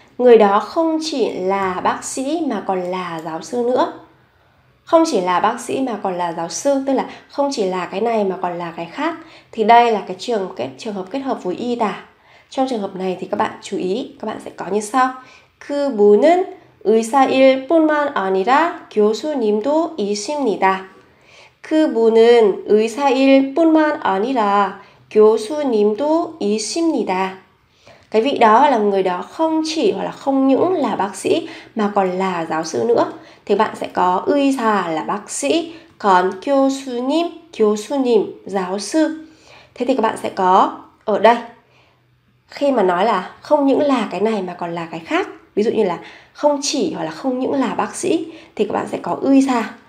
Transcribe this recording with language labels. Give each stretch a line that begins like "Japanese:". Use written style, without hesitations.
Vietnamese: Người đó không chỉ là bác sĩ mà còn là giáo sư nữa. Không chỉ là bác sĩ mà còn là giáo sư, tức là không chỉ là cái này mà còn là cái khác. Thì đây là cái trường hợp kết hợp với y tá. Trong trường hợp này thì các bạn chú ý, các bạn sẽ có như sau.
Korean: 그분은 의사일 뿐만 아니라 교수님도 있습니다. 그분은 의사일 뿐만 아니라 교수님도 있습니다.
Vietnamese: Cái vị đó là người đó không chỉ hoặc là không những là bác sĩ mà còn là giáo sư nữa. Thì bạn sẽ có 의사 là bác sĩ, còn 교수님, 교수님 giáo sư. Thế thì các bạn sẽ có ở đây. Khi mà nói là không những là cái này mà còn là cái khác, ví dụ như là không chỉ hoặc là không những là bác sĩ, thì các bạn sẽ có 의사.